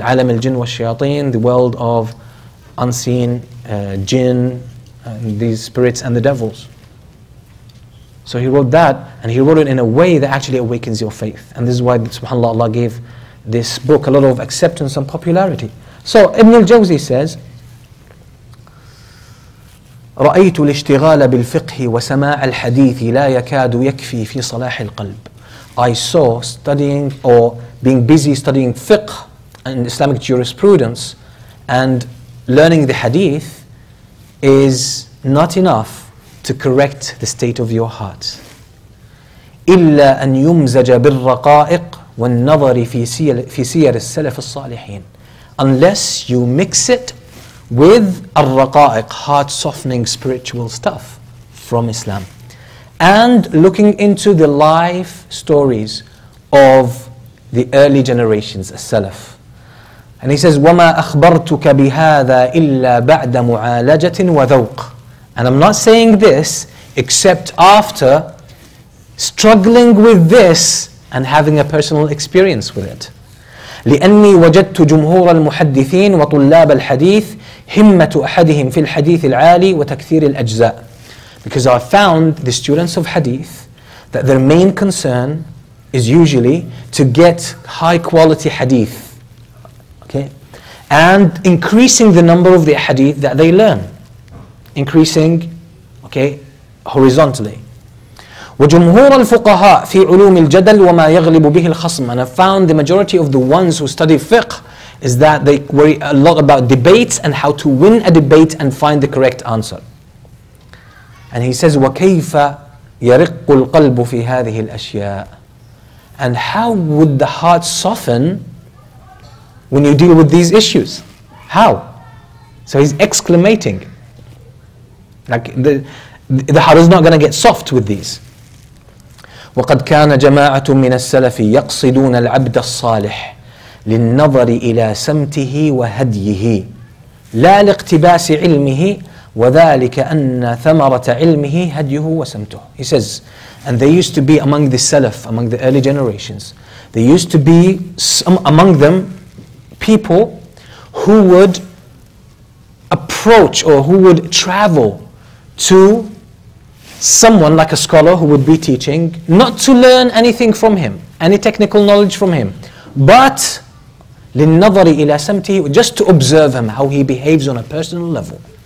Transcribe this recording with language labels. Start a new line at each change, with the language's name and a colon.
English: And alam al-jinn wa shayateen, the world of unseen jinn, and these spirits and the devils. So he wrote that, and he wrote it in a way that actually awakens your faith. And this is why, subhanAllah, Allah gave this book a lot of acceptance and popularity. So Ibn al-Jawzi says,
Arabic: رأيت الاشتغال بالفقه وسماع الحديث لا يكاد يكفي في صلاح القلب.
English: I saw studying or being busy studying fiqh and Islamic jurisprudence and learning the hadith is not enough to correct the state of your heart.
Arabic: إلا أن يمزج بالرقائق والنظر في سير السلف الصالحين.
English: Unless you mix it with al-raqa'iq, heart-softening spiritual stuff from Islam, and looking into the life stories of the early generations, as-salaf. And he says,
Arabic: وَمَا أَخْبَرْتُكَ بِهَذَا إِلَّا بَعْدَ مُعَالَجَةٍ وَذَوْقٍ.
English: And I'm not saying this except after struggling with this and having a personal experience with it.
Arabic: لأني وجدت جمهور المحدثين وطلاب الحديث همة أحدهم في الحديث العالي وتكثير الأجزاء.
English: Because I found the students of hadith that their main concern is usually to get high quality hadith, okay, and increasing the number of the hadith that they learn, increasing, okay, horizontally.
Arabic: وجمهور الفقهاء في علوم الجدل وما يغلب به الخصم.
English: And I found the majority of the ones who study fiqh is that they worry a lot about debates and how to win a debate and find the correct answer. And he says,
Arabic: وكيف يرق القلب في هذه الأشياء.
English: And how would the heart soften when you deal with these issues? How? So he's exclamating, like the heart is not going to get soft with these.
Arabic: وقد كان جماعة من السلف يقصدون العبد الصالح للنظر إلى سمته وهديه لا لاقتباس علمه وذلك أن ثمرة علمه هديه وسمته.
English: He says, and they used to be among the Salaf, among the early generations, they used to be among them people who would approach or who would travel to someone like a scholar who would be teaching, not to learn anything from him, any technical knowledge from him, but
Arabic: لِلنَّظَرِ إِلَى سَمْتِهِ,
English: just to observe him, how he behaves on a personal level.